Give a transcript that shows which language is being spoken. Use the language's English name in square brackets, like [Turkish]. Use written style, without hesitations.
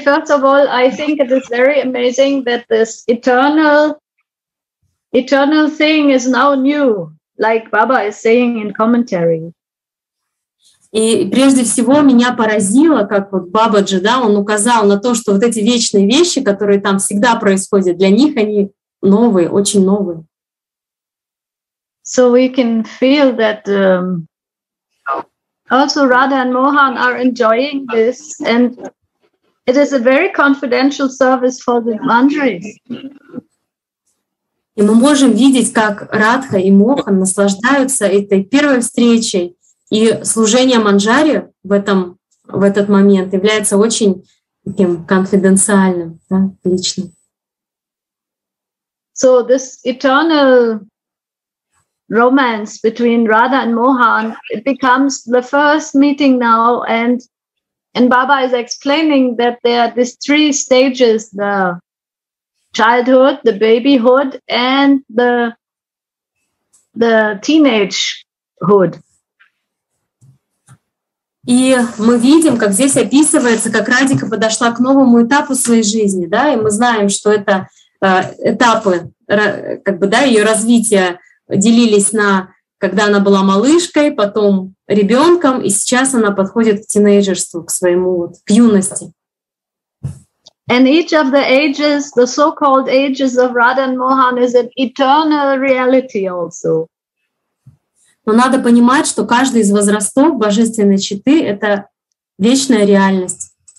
[English] First of all, I think it is very amazing that this eternal thing is now new, like Baba is saying in commentary. [Russian] И прежде всего меня поразило, как вот Бабаджи, да, он указал на то, что вот эти вечные вещи, которые там всегда происходят, для них они новые, очень новые. [English] So we can feel that also Radha and Mohan are enjoying this, and it is a very confidential service for the mandris. [Russian] И мы можем видеть, как Радха и Мохан наслаждаются этой первой встречей. И служение манджари в этот момент является очень таким конфиденциальным, да, личным. [English] So this eternal romance between Radha and Mohan, it becomes the first meeting now, and Baba is explaining that there are these three stages: the childhood, the babyhood, and the teenagehood. [Russian] И мы видим, как здесь описывается, как Радика подошла к новому этапу своей жизни, да, и мы знаем, что это этапы, как бы, да, ее развития делились на, когда она была малышкой, потом ребенком, и сейчас она подходит к тинейджерству, к своему, вот, к юности. [English] And each of the ages, the so-called ages of Radha and Mohan is an eternal reality also. [Russian] Но надо понимать, что каждый из возрастов божественной четы — это вечная реальность.